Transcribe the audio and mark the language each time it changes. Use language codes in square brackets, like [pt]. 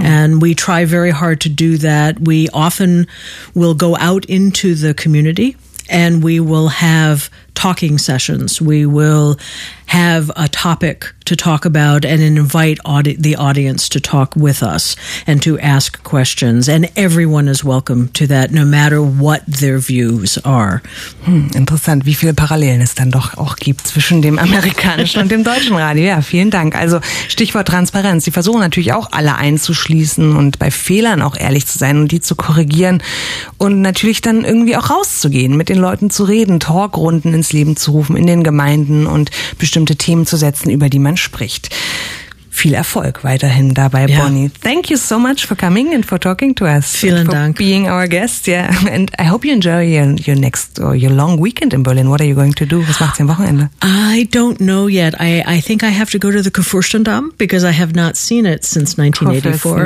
[en] And we try very hard to do that. We often will go out into the community and we will have talking sessions. We will have a topic to talk about and invite the audience to talk with us and to ask questions. And everyone is welcome to that, no matter what their views are. [de] Interessant, wie viele Parallelen es dann doch auch gibt zwischen dem amerikanischen und dem deutschen Radio. Ja, vielen Dank. Also Stichwort Transparenz. Sie versuchen natürlich auch alle einzuschließen und bei Fehlern auch ehrlich zu sein und die zu korrigieren und natürlich dann irgendwie auch rauszugehen, mit den Leuten zu reden, Talkrunden ins Leben zu rufen in den Gemeinden und bestimmte Themen zu setzen, über die man spricht. Viel Erfolg weiterhin dabei, [en] yeah. [de] Bonnie. [en] Thank you so much for coming and for talking to us. [de] Vielen Dank. [en] For being our guest, yeah. And I hope you enjoy your next or your long weekend in Berlin. What are you going to do? [de] Was macht ihr am Wochenende? [en] I don't know yet. I think I have to go to the Kurfürstendamm because I have not seen it since 1984.